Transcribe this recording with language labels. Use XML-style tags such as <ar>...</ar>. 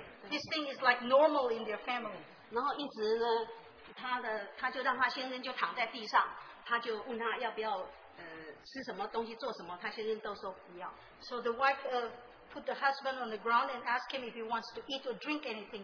<en>This thing is like normal in their family.</en> <zh>然后一直呢，他就让他先生就躺在地上，他就问他要不要吃什么东西做什么，他先生都说不要。</zh> <en>So the wife put the husband on the ground and ask him if he wants to eat or drink anything.</en>